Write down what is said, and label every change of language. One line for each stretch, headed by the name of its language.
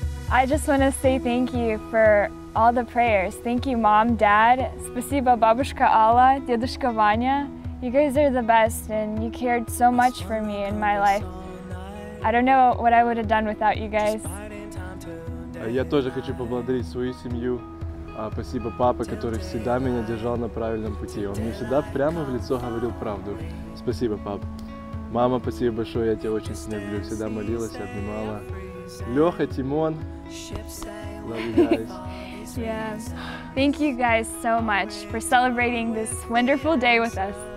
English: I just want to say thank you for all the prayers. Thank you, Mom, Dad,
Russian: Спасибо, Бабушка Алла, Дедушка Ваня.
English: You guys are the best, and you cared so much for me in my life. I don't know what I would have done without you guys.
Russian: Я тоже хочу поблагодарить свою семью. Спасибо папа, который всегда меня держал на правильном пути. Он мне всегда прямо в лицо говорил правду. Спасибо, пап. Мама, спасибо большое, я тебя очень сильно люблю. Всегда молилась, обнимала.
English: Леха, Тимон, love you guys. Yeah. Thank you guys so much for celebrating this wonderful day with us.